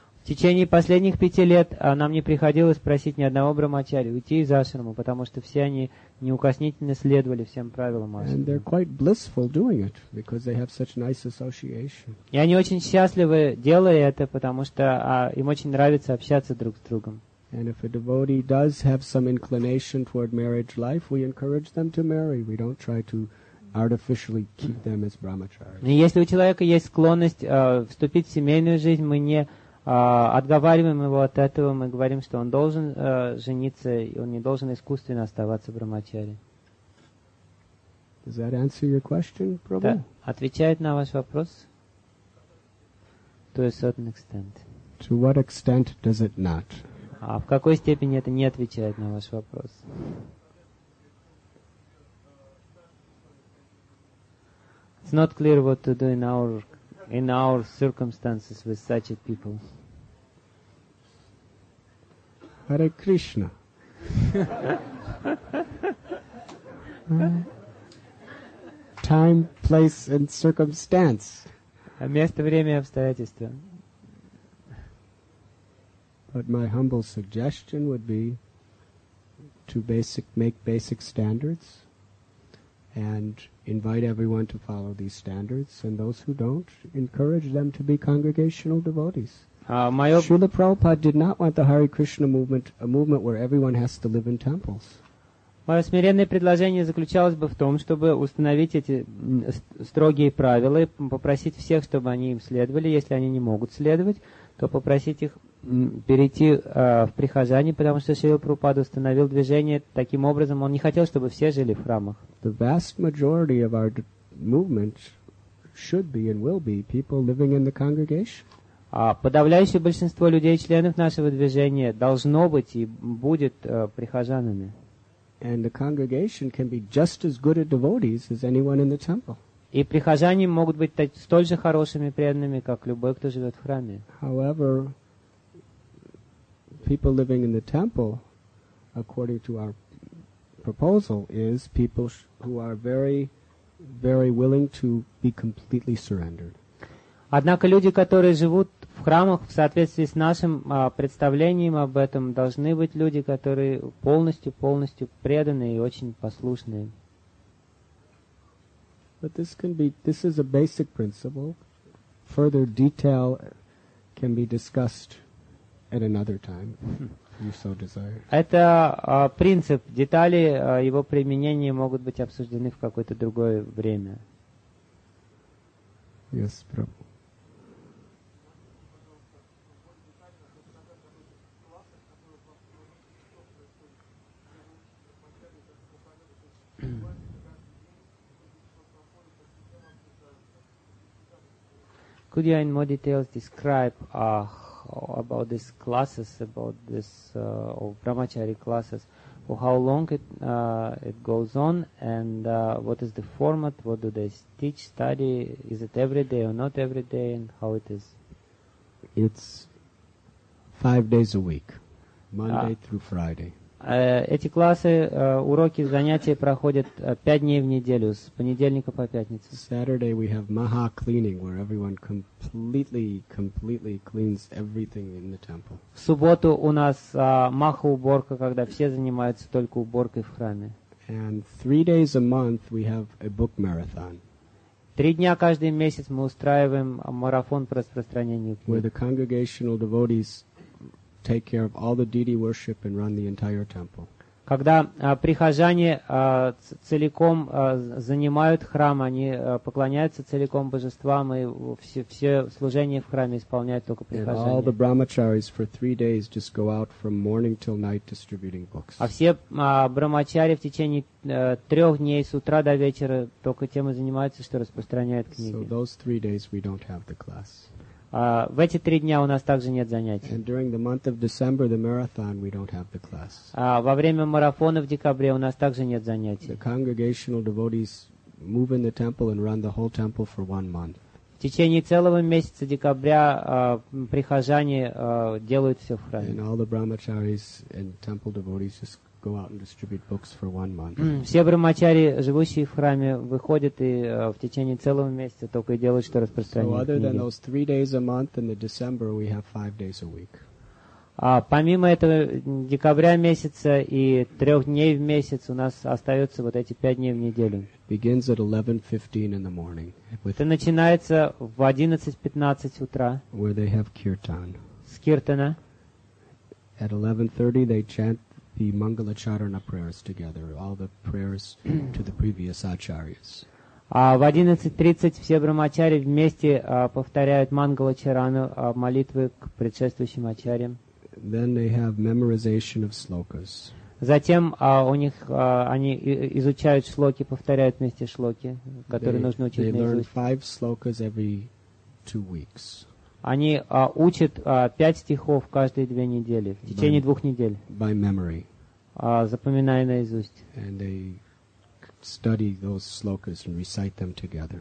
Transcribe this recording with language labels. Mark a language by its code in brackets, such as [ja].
[ru] В течение последних 5 лет нам не приходилось просить ни одного брахмачари уйти из ашрама, потому что все они неукоснительно следовали всем правилам ашрама. [en] And they're quite blissful doing it because they have such nice association. [ru] И они очень счастливы, делая это, потому что им очень нравится общаться друг с другом. [en] And if a devotee does have some inclination toward marriage life, we encourage them to marry. We don't try to artificially keep them as brahmacharis. [ru] Если у человека есть склонность вступить в семейную жизнь, мы не отговариваем его от этого, мы говорим, что он должен жениться, и он не должен искусственно оставаться брахмачари. [en] Does that answer your question, Prabhu? [ru] Да, отвечает на ваш вопрос. [en] To a certain extent. To what extent does it not? [ru] А в какой степени это не отвечает на ваш вопрос? [en] It's not clear what to do in our circumstances with such a people. Hare Krishna. Time, place and circumstance. [ru] А место, время и обстоятельства. [en] But my humble suggestion would be to make basic standards and invite everyone to follow these standards, and those who don't, encourage them to be congregational devotees. Srila Prabhupada did not want the Hare Krishna movement, a movement where everyone has to live in temples. [ru] Мое смиренное предложение заключалось бы в том, чтобы установить эти строгие правила и попросить всех, чтобы они им следовали. Если они не могут следовать, то попросить их перейти в прихожане, потому что Шрила Прабхупада установил движение таким образом, он не хотел, чтобы все жили в храмах. [en] The vast majority of our movement should be and will be people living in the congregation. [ru] Подавляющее большинство людей, членов нашего движения, должно быть и будет прихожанами. [en] And the congregation can be just as good at devotees as anyone in the temple. [ru] И прихожане могут быть столь же хорошими преданными, как любой, кто живет в храме. [en] However, people living in the temple, according to our proposal, is people who are very, very willing to be completely surrendered. [ru] Однако люди, которые живут в храмах, в соответствии с нашим представлением об этом, должны быть люди, которые полностью преданы и очень послушны. [en] But this is a basic principle. Further detail can be discussed at another time, if you so desire. [ru] Это принцип. Детали его применения могут быть обсуждены в какое-то другое время. [en] Yes, Prabhu. Could you in more details describe about these classes, about this brahmachari classes, for how long it goes on, and what is the format, what do they teach, study, is it every day or not every day, and how it is? It's 5 days a week, Monday through Friday. [ru] Эти классы, уроки, занятия проходят 5 дней в неделю, с понедельника по пятницу. [en] Saturday we have maha cleaning, where everyone completely cleans everything in the temple. [ru] В субботу у нас маха уборка, когда все занимаются только уборкой в храме. [en] And 3 days a month we have a book marathon. [ru] 3 дня каждый месяц мы устраиваем марафон по распространению книг. [en] Where the congregational devotees take care of all the deity worship and run the entire temple. [ru] Когда прихожане целиком занимают храм, они поклоняются целиком божествам и все служение в храме исполняют только прихожане. [en] All the brahmacharis for 3 days just go out from morning till night distributing books. [ru] А все брахмачари в течение 3 дней с утра до вечера только тем и занимаются, что распространяют книги. [en] So those 3 days we don't have the class. [ru] В эти три дня у нас также нет занятий. [en] And during the month of December, the marathon, we don't have the class. [ru] Во время марафона в декабре у нас также нет занятий. [en] The congregational devotees move in the temple and run the whole temple for one month. [ru] В течение целого месяца декабря прихожане делают все в храме. [en] And all the brahmacharis and temple devotees just go out and distribute books for one month. [ru] Все брахмачари, живущие в храме, выходят и в течение целого месяца только и делают, что распространяют. [en] So other than those 3 days a month in the December, we have 5 days a week. [ru] Помимо этого декабря месяца и 3 дней в месяц у нас остаются вот эти 5 дней в неделю. [en] It begins at 11:15 in the morning. [ru] Это начинается в 11:15 утра. [en] Where they have kirtan. [ru] С киртана. [en] At 11:30 they chant the Mangalacharana prayers together, all the prayers to the previous acharyas. [ru] В 11:30 все брахмачари вместе повторяют Мангалачарану, молитвы к предшествующим ачарьям. [en] Then they have memorization of slokas. [ru] Затем у них они изучают шлоки, повторяют вместе шлоки, которые нужно учить наизусть. [en] They learn 5 slokas every 2 weeks. [ru] Они учат 5 стихов каждые 2 недели, в течение 2 недель. [en] By memory. [ru] Запоминая наизусть. [en] And they study those slokas and recite them together.